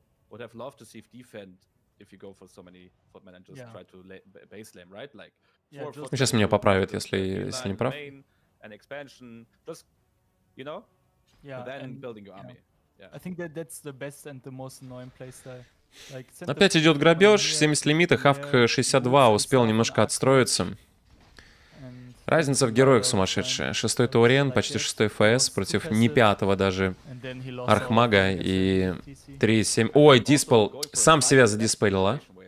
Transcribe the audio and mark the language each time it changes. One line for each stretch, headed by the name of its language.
English: Would have loved to see if defend if you go for so many footmen and just yeah. try to base slam, right? Like
Russian: сейчас меня поправят, если не прав.
English: An expansion, just you know, yeah, and then and building your army. Yeah. I think that's the best and the most annoying place there. Like,
Russian: опять идет грабеж, 70 лимита, Хавк 62 успел немножко отстроиться. Разница в героях сумасшедшая. Шестой таурен, почти шестой ФС против не пятого даже Архмага и 3-7. Ой, диспел. Сам себя задиспелил, а?